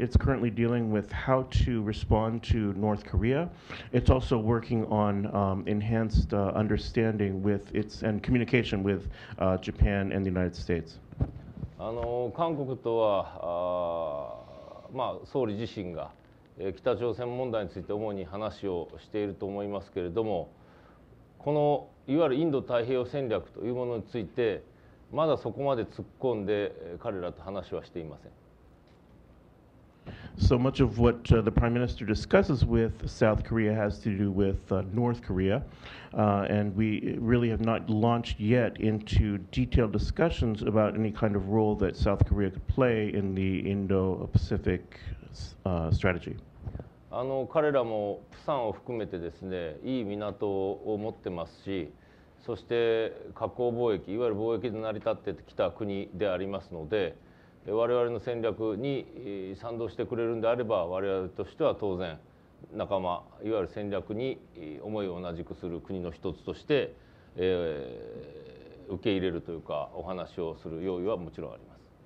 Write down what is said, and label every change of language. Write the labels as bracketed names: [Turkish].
[English] It's currently dealing with how to respond to North Korea. It's also working on enhanced understanding with its and communication with Japan and the United States. [Japanese] 韓国とは、まあ総理自身が北朝鮮問題について主に話をしていると思いますけれども。このいわゆるインド太平洋戦略というものについて、まだそこまで突っ込んで彼らと話はしていません。 [English] So much of what the Prime Minister discusses with South Korea has to do with North Korea, and we really have not launched yet into detailed discussions about any kind of role that South Korea could play in the Indo-Pacific strategy. [Japanese] あの彼らもプサンを含めてですね、いい港を持ってますし、そして核貿易、いわゆる貿易で成り立ってきた国でありますので、我々の戦略に賛同してくれるんであれば、我々としては当然仲間、いわゆる戦略に思いを同じくする国の一つとして、受け入れるというか、お話をする用意はもちろんあります。